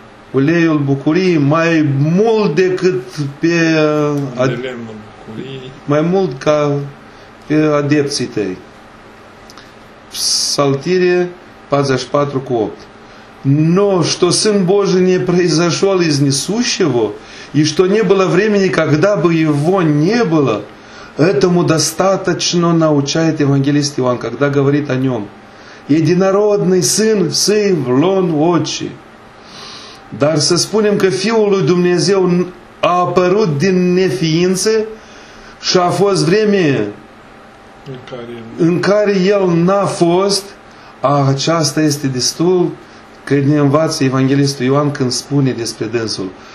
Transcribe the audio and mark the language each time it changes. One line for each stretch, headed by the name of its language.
Romanian: Uleiul bucuriei mai mult decât pe lemnul bucuriei. Mai mult ca pe adepții tăi. Psaltire 24:8.
Russian: Но что Сын Божий не произошел из несущего, и что не было времени, когда бы Его не было, этому достаточно научает Евангелист Иоанн, когда говорит о Нем. Единородный Сын, Сын в лон очи.
Romanian: Дар се спунем ка Фиул лui Dumnezeu a apărut din neființă și a fost vreme în care El n-a fost, aceasta este destul că ne învață Evanghelistul Ioan când spune despre dânsul.